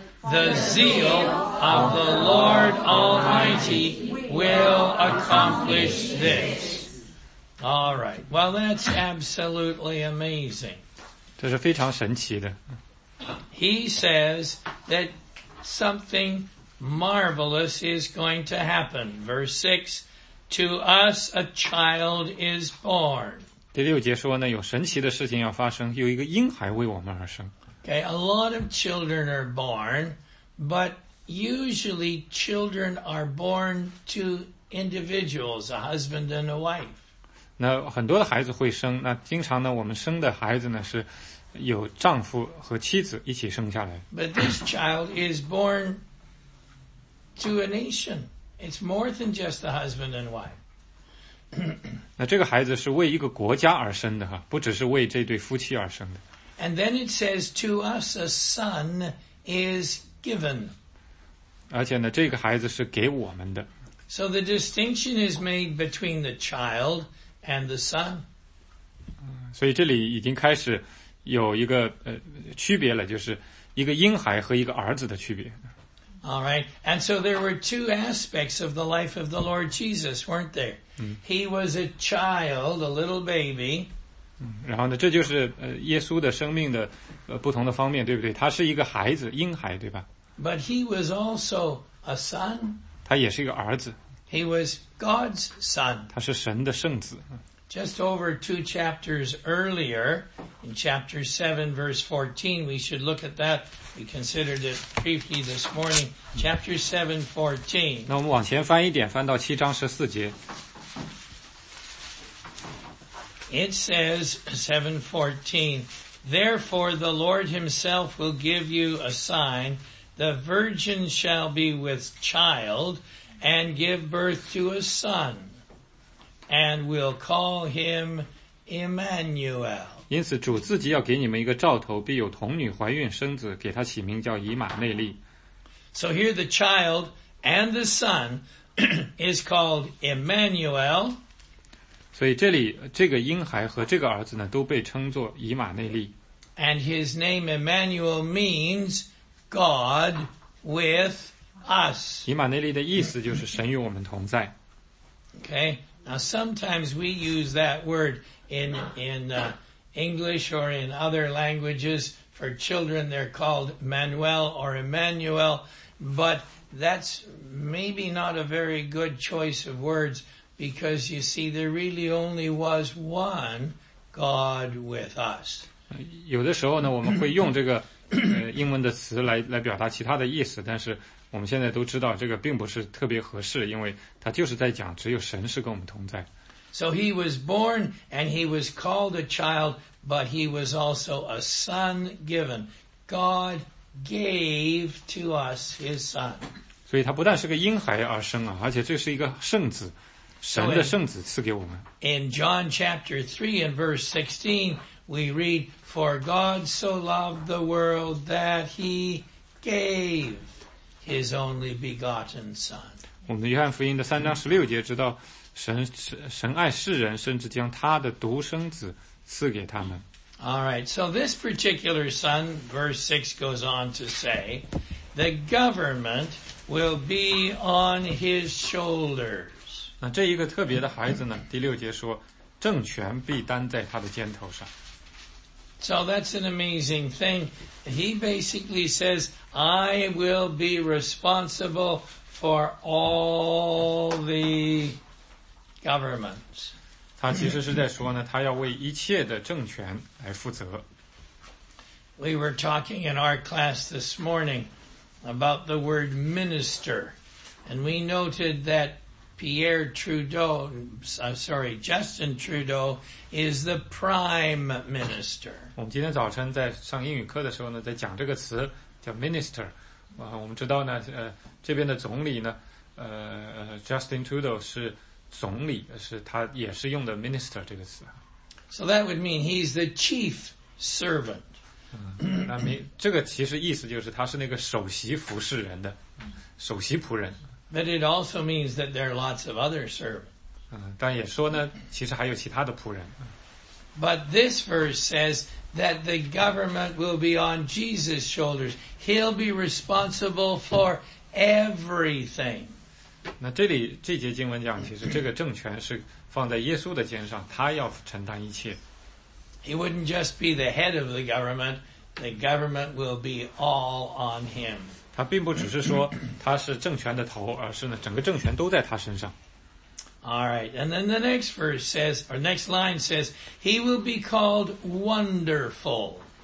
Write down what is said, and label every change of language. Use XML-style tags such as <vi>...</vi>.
<en>The zeal of the Lord Almighty will accomplish this. All right. Well, that's absolutely amazing.</en> <zh>这是非常神奇的。</zh> <en>He says that something marvelous is going to happen. Verse 6, to us a child is born.</en> <zh>第六节说呢，有神奇的事情要发生，有一个婴孩为我们而生。</zh> <en>Okay, a lot of children are born, but usually children are born to individuals, a husband and a wife.</en> <zh>那很多的孩子会生，那经常呢，我们生的孩子呢是有丈夫和妻子一起生下来。</zh> <en>But this child is born to a nation. It's more than just a husband and wife.</en> <zh>那这个孩子是为一个国家而生的，不只是为这对夫妻而生的。</zh> <en>And then it says, to us a son is given.</en> <zh>而且呢，这个孩子是给我们的。</zh> <en>So the distinction is made between the child and the son.</en> <zh>所以这里已经开始有一个区别了，就是一个婴孩和一个儿子的区别。</zh> <en>All right. And so there were two aspects of the life of the Lord Jesus, weren't there? He was a child, a little baby.</en> <zh>然后呢，这就是耶稣的生命的不同的方面，对不对？他是一个孩子，婴孩，对吧？</zh> <en>But he was also a son.</en> <zh>他也是一个儿子。</zh> <en>He was God's son.</en> <zh>他是神的圣子。</zh> <en>Just over two chapters earlier, in chapter 7, verse 14, we should look at that. We considered it briefly this morning. Chapter 7, 14.</en> <zh>那我们往前翻一点，翻到七章十四节。</zh> <en>It says, 7:14, Therefore the Lord himself will give you a sign. The virgin shall be with child and give birth to a son, and will call him Emmanuel.</en> <zh>因此主自己要给你们一个兆头，必有童女怀孕生子，给他起名叫以马内利。</zh> <en>So here the child and the son is called Emmanuel.</en> <zh>所以这里这个婴孩和这个儿子呢，都被称作以马内利。</zh> <en>And his name Emmanuel means God with us.</en> <zh>以马内利的意思就是神与我们同在。</zh> <en>Okay. Now sometimes we use that word in English or in other languages. For children, they're called Manuel or Emmanuel, but that's maybe not a very good choice of words, because you see, there really only was one God with us.</en> <zh>有的时候呢，我们会用这个英文的词来表达其他的意思，但是我们现在都知道这个并不是特别合适，因为它就是在讲只有神是跟我们同在。</zh> <en>So he was born and he was called a child, but he was also a son given. God gave to us his son.</en> <zh>所以他不但是个婴孩而生啊，而且这是一个圣子，神的圣子赐给我们。</zh> <en>In John chapter 3 and verse 16, we read, For God so loved the world that he gave his only begotten son.</en> <zh>我们约翰福音的三章十六节知道神爱世人，甚至将他的独生子赐给他们。</zh> <en>All right, so this particular son, verse 6 goes on to say, the government will be on his shoulders.</en> <zh>那这一个特别的孩子呢，第六节说，政权必担在他的肩头上。</zh> <en>So that's an amazing thing. He basically says, I will be responsible for all the governments.</en> <zh>他其实是在说呢，他要为一切的政权来负责。</zh> <en>We were talking in our class this morning about the word minister, and we noted that Justin Trudeau is the prime minister.</en> <zh>我们今天早晨在上英语课的时候呢，在讲这个词叫 minister。我们知道呢，这边的总理呢，Justin Trudeau 是总理，是他也是用的 minister 这个词。</zh> <en>So that would mean he's the chief servant.</en> <zh>这个其实意思就是他是那个首席服侍人的，首席仆人。</zh> <en>But it also means that there are lots of other servants.</en> <zh>但也说呢，其实还有其他的仆人。</zh> <en>But this verse says that the government will be on Jesus' shoulders. He'll be responsible for everything.</en> <zh>那这里这节经文讲，其实这个政权是放在耶稣的肩上，他要承担一切。</zh> <en>He wouldn't just be the head of the government. The government will be all on him.</en> <zh>他并不只是说他是政权的头，而是呢整个政权都在他身上。</zh> <en>All right, and then the next verse says, or next line says, he will be called wonderful.</en>